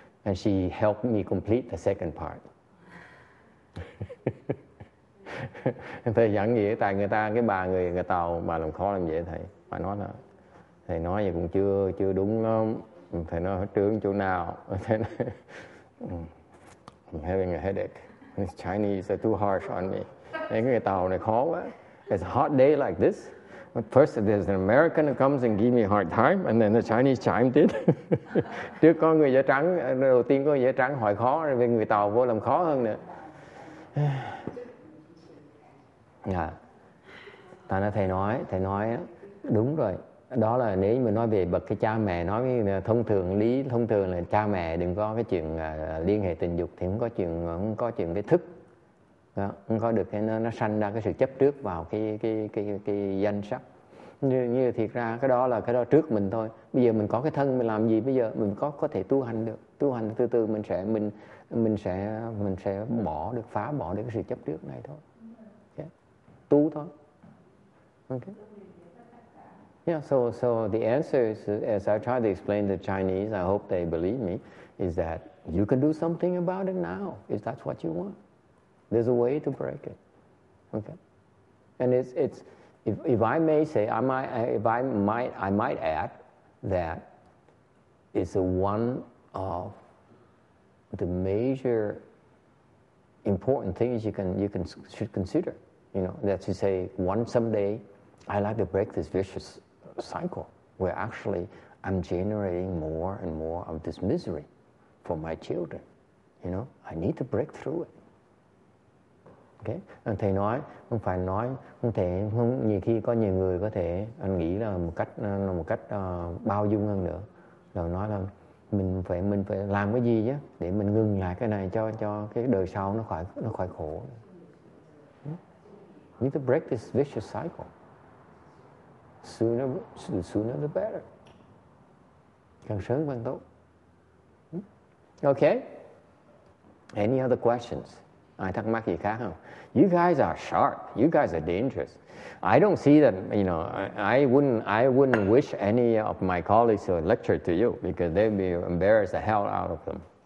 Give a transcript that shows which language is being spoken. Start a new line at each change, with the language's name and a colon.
English: And she helped me complete the second part.
Vietnamese: Thầy giảng nghĩa tại người ta cái bà người người tàu bà làm khó làm dễ thầy. Bà nói là thầy nói vậy cũng chưa đúng lắm. Thầy nói trướng chỗ nào. Thầy nói,
English: I'm having a headache. These Chinese are too harsh on me.
Vietnamese: Thầy người tàu này khó quá.
English: It's a hot day like this. First, there's an American who comes and give me a hard time, and then the Chinese chimed in.
Vietnamese: Trước có người da trắng, đầu tiên có người da trắng hỏi khó, rồi người tàu vô làm khó hơn nữa. Tại nói thầy nói đúng rồi. Đó là nếu mà nói về bậc cái cha mẹ, nói thông thường lý, thông thường là cha mẹ đừng có cái chuyện liên hệ tình dục thì không có chuyện cái thức. Đó, không có được cái nó sanh ra cái sự chấp trước vào cái danh sắc. Như thiệt ra cái đó trước mình thôi. Bây giờ mình có cái thân mình làm gì bây giờ? Mình có thể tu hành được. Tu hành từ từ mình sẽ bỏ được, phá bỏ được cái sự chấp trước này thôi. Yeah. Tu thôi. Okay.
English: Yeah, so the answer is, as I try to explain to Chinese, I hope they believe me, is that you can do something about it now if that's what you want. There's a way to break it, okay? And it's if I may say, I might add that it's one of the major important things you should consider, that to say, one someday I like to break this vicious cycle where actually I'm generating more and more of this misery for my children, I need to break through it. Okay.
Vietnamese: Thầy nói, không phải nói, không thể, không, nhiều khi có nhiều người có thể, anh nghĩ là một cách bao dung hơn nữa. Rồi nói là mình phải làm cái gì chứ, để mình ngừng lại cái này cho cái đời sau nó khỏi khổ.
English: You need to break this vicious cycle. Sooner the better.
Vietnamese: Càng sớm càng tốt.
English: Okay? Any other questions?
Vietnamese: Ai thắc mắc gì khác không?
English: You guys are sharp. You guys are dangerous. I don't see that, I wouldn't wish any of my colleagues to lecture to you because they'd be embarrassed the hell out of them.